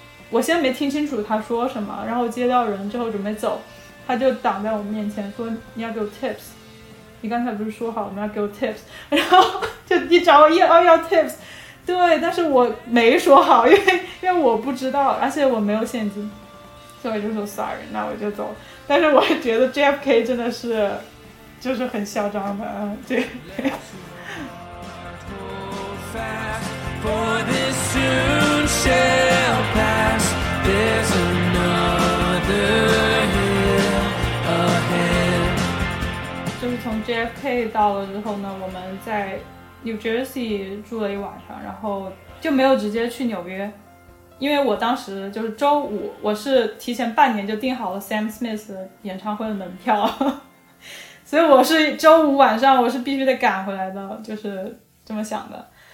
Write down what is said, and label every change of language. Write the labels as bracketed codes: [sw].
[zh] 我先没听清楚他说什么，然后接到人之后准备走，他就挡在我面前说你要给我 tips， 你刚才不是说好我们要给我 tips， 然后就你找我要 tips， 对，但是我没说好，因为我不知道，而且我没有现金，所以就说 sorry， 那我就走。但是我觉得 JFK 真的是就是很嚣张的，对。 [en] For this soon shall pass, there's another hill ahead. [zh] 就是从 JFK 到了之后呢，我们在 New Jersey 住了一晚上，然后就没有直接去纽约，因为我当时就是周五，我是提前半年就订好了 Sam Smith 演唱会的门票，所以我是周五晚上我是必须得赶回来的，就是这么想的。